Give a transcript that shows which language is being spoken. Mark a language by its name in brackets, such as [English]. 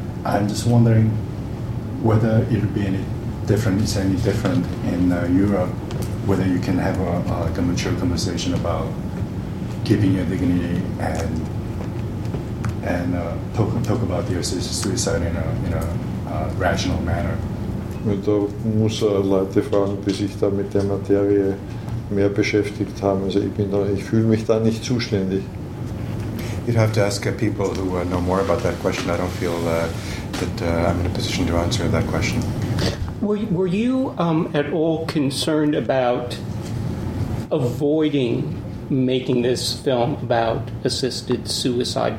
[English] I'm just wondering whether it would be any different. Is any different in Europe? Whether you can have a mature conversation about keeping your dignity and talk about the assisted suicide in a rational manner. [German] Da muss Leute fragen, die sich da mit der Materie mehr beschäftigt haben. Also ich fühle mich da nicht zuständig. [English] You'd have to ask people who know more about that question. I don't feel that I'm in a position to answer that question. Were you at all concerned about avoiding making this film about assisted suicide?